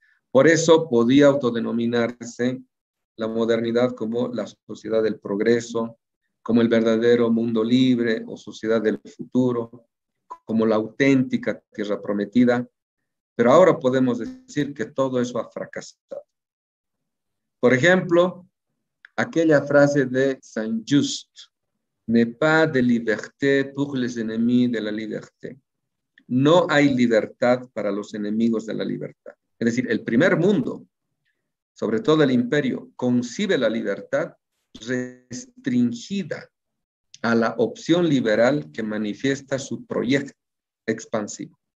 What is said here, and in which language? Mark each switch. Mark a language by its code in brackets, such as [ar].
[es] Por eso podía autodenominarse la modernidad como la sociedad del progreso, como el verdadero mundo libre o sociedad del futuro, como la auténtica tierra prometida, Pero ahora podemos decir que todo eso ha fracasado. Por ejemplo, aquella frase de Saint Just, [fr] n'est pas de liberté pour les ennemis de la liberté. [es] No hay libertad para los enemigos de la libertad. Es decir, el primer mundo, sobre todo el imperio, concibe la libertad restringida a la opción liberal que manifiesta su proyecto expansivo.